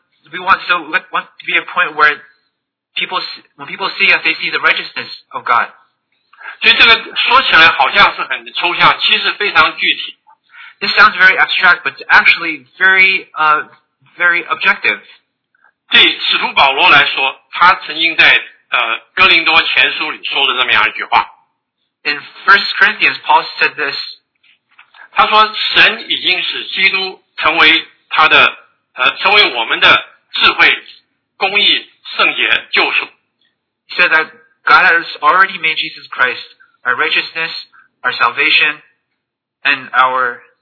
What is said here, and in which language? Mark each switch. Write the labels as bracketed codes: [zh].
[en] So we want to be a point where when people see us, they see the righteousness of God. [zh] 所以这个说起来好像是很抽象，其实非常具体。 [en] This sounds very abstract, but actually very, very objective. [zh] 对使徒保罗来说，他曾经在哥林多前书里说了这么样一句话。 [en] In 1 Corinthians, Paul said this. [zh] 他说神已经使基督成为他的成为我们的智慧、公义、圣洁、救赎。 [en] He said that God has already made Jesus Christ our righteousness, our salvation, and our